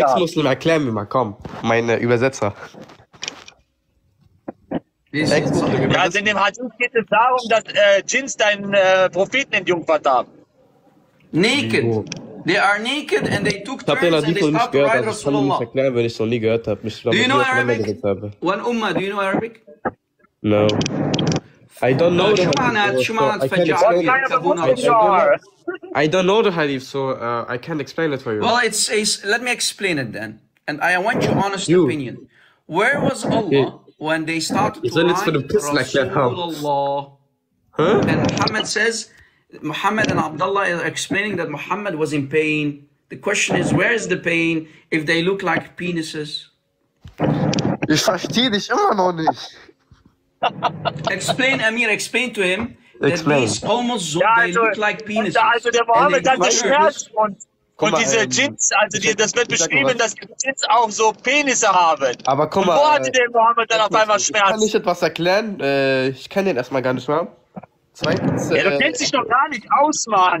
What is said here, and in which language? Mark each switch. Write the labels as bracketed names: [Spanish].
[German] Ex-Muslim, erklär mir mal, komm, mein Übersetzer. Also in dem Hadith geht es darum, dass Jins deinen Propheten entjungfert haben. [English] Naked. They are naked and they took turns and they stopped by Rasulullah. Do you know Arabic? One Ummah, do you know Arabic? No. I don't know the hadith. I don't know the hadith, so I can't explain it for you. Well, it's let me explain it then. And I want your honest opinion. Where was Allah when they started to ride Rasulullah? Huh? And Muhammad says, Muhammad and Abdullah are explaining that Muhammad was in pain. The question is, where is the pain if they look like penises? [German] Ich verstehe dich immer noch nicht. [English] Explain, Amir, explain to him that these almost so, they look like penises. [German] Also der Mohammed hat die Schmerzen und diese Jins, also die, das wird beschrieben, dass die Jins auch so Penisse haben. Aber guck mal, wo hatte der Mohammed dann auf einmal Schmerzen? Ich kann nicht etwas erklären, ich kenne den erstmal gar nicht mehr. Zweitens, ja, du kennst dich doch gar nicht aus, Mann.